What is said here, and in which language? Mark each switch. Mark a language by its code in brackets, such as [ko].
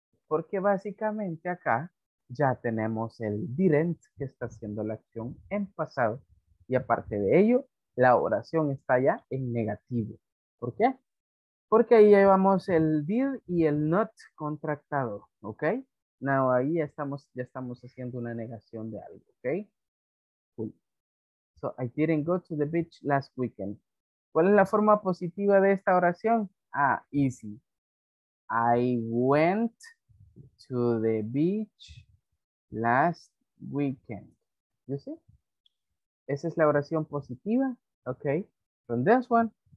[es] Porque básicamente acá ya tenemos el didn't que está haciendo la acción en pasado. Y aparte de ello, la oración está ya en negativo. ¿Por qué? Porque ahí llevamos el did y el not contractado, ¿ok? Now ahí ya estamos haciendo una negación de algo, ¿ok? [en] Cool. So I didn't go to the beach last weekend. [es] ¿Cuál es la forma positiva de esta oración? [en] Ah, easy. I went to the beach last weekend. You see? [es] Esa es la oración positiva. Okay. [en] From this one.